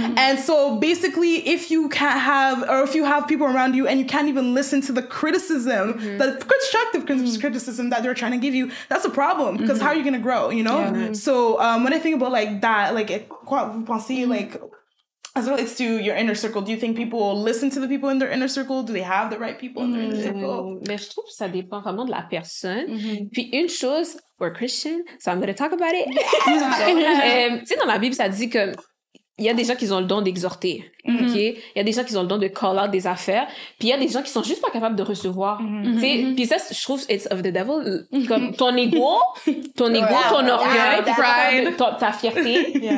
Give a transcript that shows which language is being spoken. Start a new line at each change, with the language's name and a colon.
English: And so basically, if you can't have, or if you have people around you and you can't even listen to the criticism, the constructive criticism that they're trying to give you, that's a problem, because how are you gonna grow, you know? So when I think about like that, like, like, as it relates to your inner circle, do you think people listen to the people in their inner circle? Do they have the right people in their inner circle?
French: Mais je trouve que ça dépend vraiment de la personne. Puis une chose,
English: we're Christian, so I'm going to talk about it.
French: tu sais, dans la Bible, ça dit que il y a des gens qui ont le don d'exhorter. OK? Il y a des gens qui ont le don de
English: call out
French: des affaires. Puis il y a des gens qui sont juste pas capables de recevoir. Tu sais, puis ça, je trouve,
English: it's of the devil.
French: Comme ton ego, ton orgueil, ta fierté. Yeah.